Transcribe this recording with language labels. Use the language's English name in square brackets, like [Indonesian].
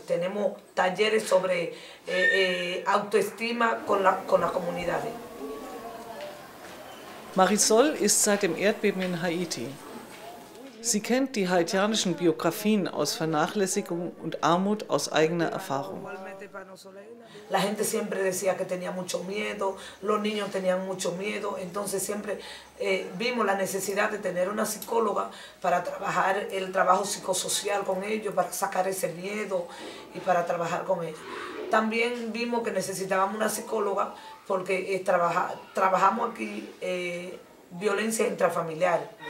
[Spanish] Tenemos talleres sobre autoestima con las comunidades. [German] Marisol ist seit dem Erdbeben in Haiti. Sie kennt die haitianischen Biografien aus Vernachlässigung und Armut aus eigener Erfahrung. [Spanish] La gente siempre decía que tenía mucho miedo, los niños tenían mucho miedo, entonces siempre vimos la necesidad de tener una psicóloga para trabajar el trabajo psicosocial con ellos, para sacar ese miedo y para trabajar con ellos. También vimos que necesitábamos una psicóloga porque trabajamos aquí violencia intrafamiliar.